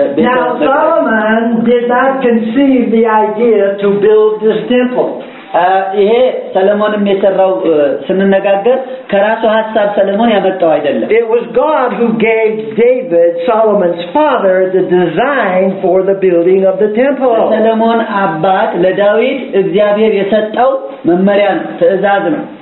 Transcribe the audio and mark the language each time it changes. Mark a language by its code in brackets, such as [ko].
[en] Now Solomon did not conceive the idea to build this temple. [am] ይሄ ሰለሞንም የሰራው ስንነጋገር ከራሱ ሐሳብ ሰለሞን ያመጣው አይደለም. [en] It was God who gave David, Solomon's father, the design for the building of the temple. [am] ሰለሞን አባት ለዳዊት እግዚአብሔር የሰጠው መመሪያን ትእዛዝ ነው.